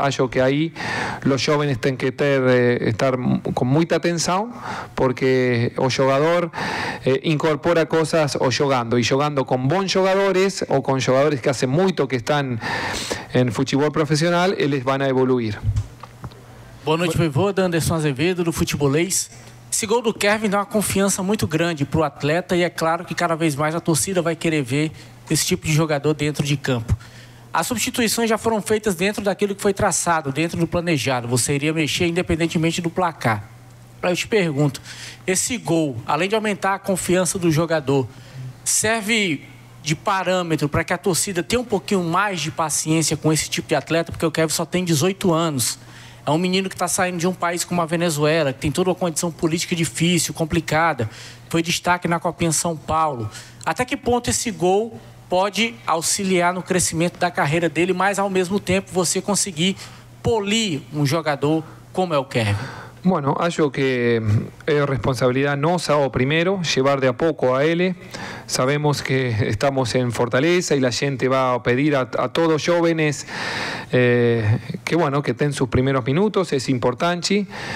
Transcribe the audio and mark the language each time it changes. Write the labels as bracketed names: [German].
[Spanish] Hallo que ahí los jóvenes tienen que estar con mucha atención, porque el jugador incorpora cosas o jugando, y jugando con buenos jugadores o con jugadores que hace mucho que están en fútbol profesional, ellos van a evoluir. [Portuguese] Boa noite, Vivô. Anderson Azevedo, do Futebolês. Esse gol do Kervin dá uma confiança muito grande para o atleta, e é claro que cada vez mais a torcida vai querer ver esse tipo de jogador dentro de campo. As substituições já foram feitas dentro daquilo que foi traçado, dentro do planejado. Você iria mexer independentemente do placar. Eu te pergunto, esse gol, além de aumentar a confiança do jogador, serve de parâmetro para que a torcida tenha um pouquinho mais de paciência com esse tipo de atleta, porque o Kervin só tem 18 anos. É um menino que está saindo de um país como a Venezuela, que tem toda uma condição política difícil, complicada. Foi destaque na Copinha São Paulo. Até que ponto esse gol pode auxiliar no crescimento da carreira dele, mas ao mesmo tempo você conseguir polir um jogador como é o Kervin? [Spanish] Bueno, [Portuguese] acho que [Spanish] es responsabilidad nuestra, o primero, llevar de a poco a él. Sabemos que estamos en Fortaleza y la gente va a pedir a todos jóvenes que tengan sus primeros minutos, es importante.